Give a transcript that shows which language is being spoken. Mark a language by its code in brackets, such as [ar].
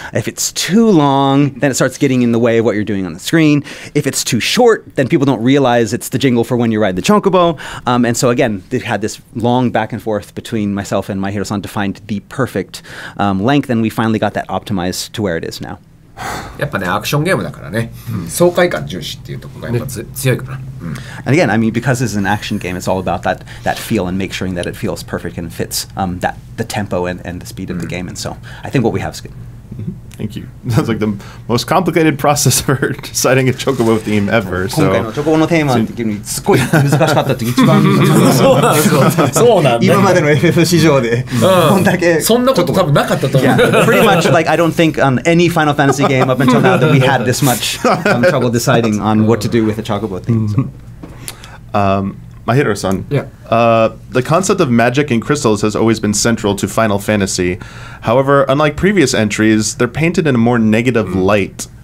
[en] If it's too long, then it starts getting in the way of what you're doing on the screen. If it's too short, then people don't realize it's the jingle for when you ride the chocobo. And so again, they've had this long back and forth between myself and Maehiro-san to find the perfect length, and we finally got that optimized to where it is now. [ja] やっぱね、アクションゲームだからね、爽快感重視っていうところがやっぱ強いから。 [en] And again, I mean, because it's an action game, it's all about that, that feel and make sure that it feels perfect and fits that, the tempo and the speed of the game. And so, I think what we have is good. Thank you. That's like the most complicated process for deciding a chocobo theme ever. So, [ja] 今回のチョコボのテーマって君、すごい難しかったって一番難しかった。そうなんだ。今までの FF 史上で、こんだけ。そんなこと多分なかったと思う。 [en] Pretty much, like, I don't think on any Final Fantasy game up until now that we had this much trouble deciding on what to do with a chocobo theme. Maehiro-san, the concept of magic and crystals has always been central to Final Fantasy. However, unlike previous entries, they're painted in a more negative light.